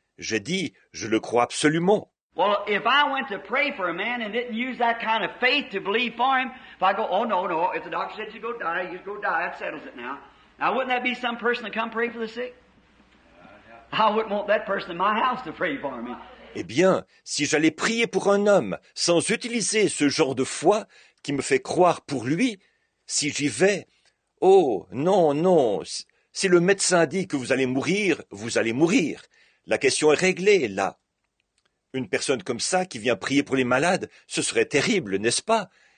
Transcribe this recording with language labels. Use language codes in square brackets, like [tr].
[fr] J'ai dit, « Je le crois absolument. » [en] Well, if I went to pray for a man and didn't use that kind of faith to believe for him, if I go, oh, no, if the doctor said you go die, that settles it now. Now, wouldn't that be some person to come pray for the sick? I wouldn't want that person in my house to pray for me. [fr] Eh bien, si j'allais prier pour un homme sans utiliser ce genre de foi qui me fait croire pour lui, si j'y vais, oh, non, si le médecin a dit que vous allez mourir, vous allez mourir. La question est réglée, là. Une personne comme ça qui vient prier pour les malades, ce serait terrible, n'est-ce pas?